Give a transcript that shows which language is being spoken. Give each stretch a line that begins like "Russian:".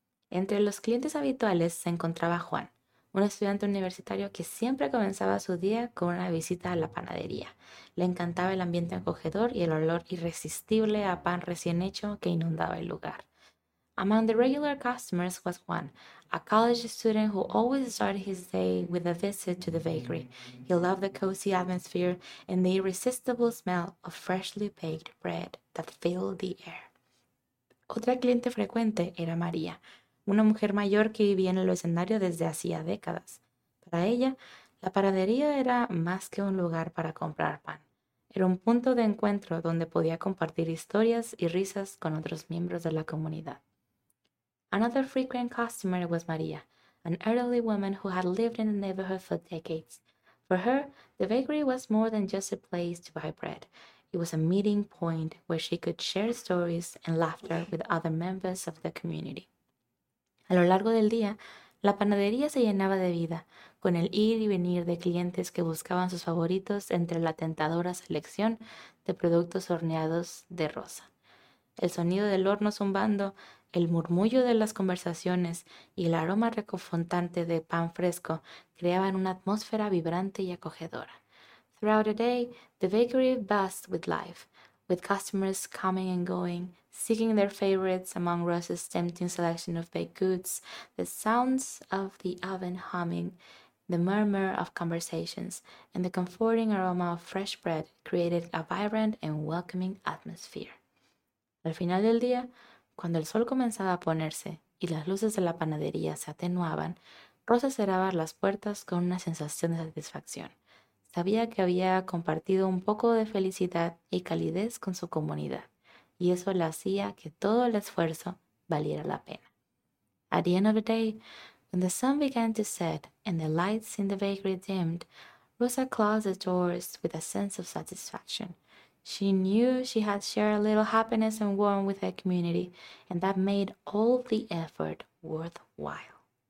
Spanish: Entre los clientes habituales se encontraba Juan, un estudiante universitario que siempre comenzaba su día con una visita a la panadería. Le encantaba el ambiente acogedor y el olor irresistible a pan recién hecho que inundaba el lugar.
English: Among the regular customers was Juan, a college student who always started his day with a visit to the bakery. He loved the cozy atmosphere and the irresistible smell of freshly baked bread that filled the air.
Spanish: Otra cliente frecuente era María, una mujer mayor que vivía en el vecindario desde hacía décadas. Para ella, la panadería era más que un lugar para comprar pan. Era un punto de encuentro donde podía compartir historias y risas con otros miembros de la comunidad.
English: Another frequent customer was Maria, an elderly woman who had lived in the neighborhood for decades. For her, the bakery was more than just a place to buy bread. It was a meeting point where she could share stories and laughter with other members of the community.
Spanish: A lo largo del día, la panadería se llenaba de vida, con el ir y venir de clientes que buscaban sus favoritos entre la tentadora selección de productos horneados de rosa. El sonido del horno zumbando, el murmullo de las conversaciones y el aroma reconfortante de pan fresco creaban una atmósfera vibrante y acogedora.
English: Throughout the day, the bakery buzzed with life, with customers coming and going, seeking their favorites among Rose's tempting selection of baked goods, the sounds of the oven humming, the murmur of conversations, and the comforting aroma of fresh bread created a vibrant and welcoming atmosphere.
Spanish: Al final del día, cuando el sol comenzaba a ponerse y las luces de la panadería se atenuaban, Rosa cerraba las puertas con una sensación de satisfacción. Sabía que había compartido un poco de felicidad y calidez con su comunidad, y eso le hacía que todo el esfuerzo valiera la pena.
English: At the end of the day, when the sun began to set and the lights in the bakery dimmed, Rosa closed the doors with a sense of satisfaction. She knew she had shared a little happiness and warmth with her community, and that made all the effort worthwhile.